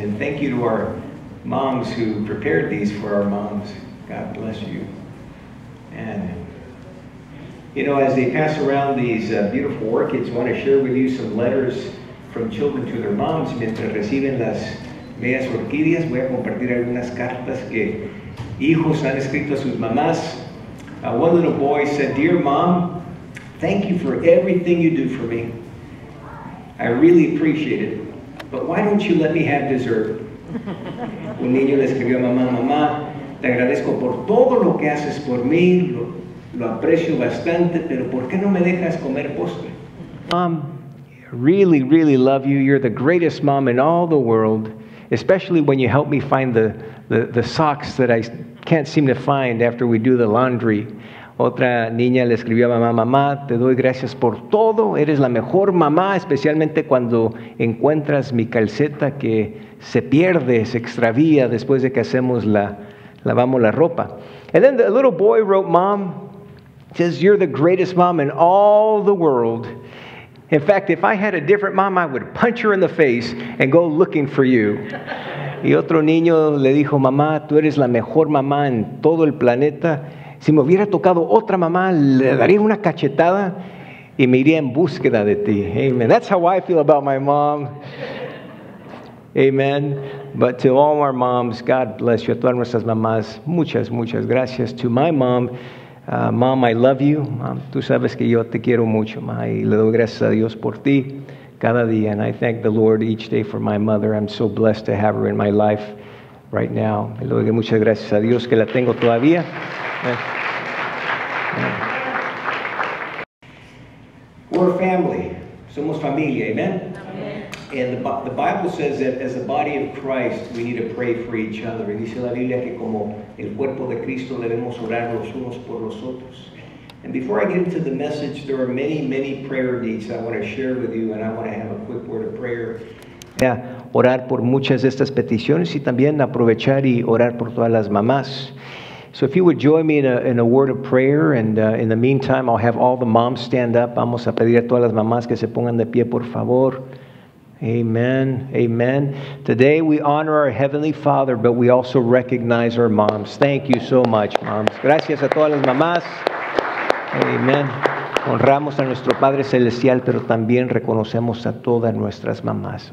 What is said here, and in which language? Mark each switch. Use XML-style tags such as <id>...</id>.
<en>And thank you to our moms who prepared these for our moms. God bless you. And, you know, as they pass around these beautiful orchids, I want to share with you some letters from children to their moms.</en> <es>Mientras reciben las medias orquídeas, voy a compartir algunas cartas que hijos han escrito a sus mamás.</es> <en>One little boy said, "Dear Mom, thank you for everything you do for me. I really appreciate it, but why don't you let me have dessert?"</en> <es>Un niño le escribió a mamá, "Mamá, te agradezco por todo lo que haces por mí, lo aprecio bastante, pero ¿por qué no me dejas comer postre?"</es> <en>Mom, really, really love you. You're the greatest mom in all the world, especially when you help me find the socks that I can't seem to find after we do the laundry.</en> <es>Otra niña le escribió a mamá, "Mamá, te doy gracias por todo. Eres la mejor mamá, especialmente cuando encuentras mi calceta que se pierde, se extravía después de que hacemos la, lavamos la ropa."</es> <en>And then the little boy wrote, "Mom, says you're the greatest mom in all the world. In fact, if I had a different mom, I would punch her in the face and go looking for you."</en> <es>Y otro niño le dijo, "Mamá, tú eres la mejor mamá en todo el planeta. Si me hubiera tocado otra mamá, le daría una cachetada y me iría en búsqueda de ti."</es> <en>Amen. That's how I feel about my mom. Amen. But to all our moms, God bless you.</en> <es>A todas nuestras mamás, muchas, muchas gracias.</es> <en>To my mom, "Mom, I love you.</en> <es>Mom, tú sabes que yo te quiero mucho, ma, y le doy gracias a Dios por ti cada día.</es> <en>And I thank the Lord each day for my mother. I'm so blessed to have her in my life right now.</en> <es>Le doy muchas gracias a Dios que la tengo todavía.</es> <en>We're family.</en> <es>Somos familia, amen?</es> <en>Amen. And the Bible says that as the body of Christ, we need to pray for each other.</en> <es>Y dice la Biblia que como el cuerpo de Cristo debemos orar los unos por los otros.</es> <en>And before I get into the message, there are many, many prayer needs I want to share with you, and I want to have a quick word of prayer.</en> <es>Yeah, orar por muchas de estas peticiones y también aprovechar y orar por todas las mamás.</es> <en>So if you would join me in a word of prayer, and in the meantime, I'll have all the moms stand up.</en> <es>Vamos a pedir a todas las mamás que se pongan de pie, por favor.</es> <en>Amen. Amen. Today we honor our Heavenly Father, but we also recognize our moms. Thank you so much, moms.</en> <es>Gracias a todas las mamás.</es> <en>Amen.</en> <es>Honramos a nuestro Padre Celestial, pero también reconocemos a todas nuestras mamás.</es>